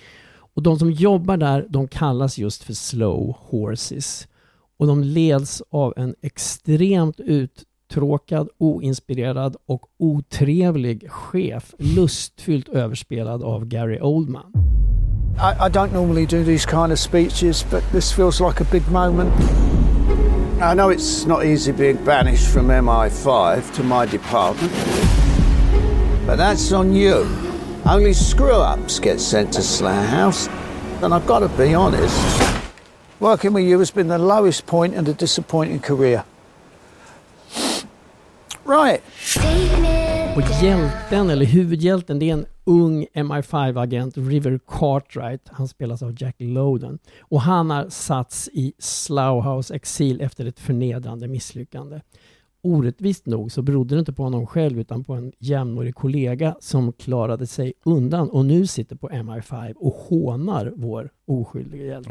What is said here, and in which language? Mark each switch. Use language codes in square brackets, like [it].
[sv] Och de som jobbar där, de kallas just för slow horses. Och de leds av en extremt uttråkad, oinspirerad och otrevlig chef, lustfyllt överspelad av Gary Oldman. [en] I don't normally do these kind of speeches, but this feels like a big moment. I know it's not easy being banished from MI5 to my department, but that's on you. Only screw-ups get sent to Slough House, and I've got to be honest. Working with you has been the lowest point in a disappointing career. Right. [sv] Och hjälten, eller huvudhjälten, det är en ung MI5-agent, River Cartwright. Han spelas av Jack Lowden. Och han har satts i Slough House exil efter ett förnedrande misslyckande. Orättvist nog så berodde det inte på honom själv, utan på en jämnårig kollega som klarade sig undan och nu sitter på MI5 och hånar vår oskyldiga hjälte.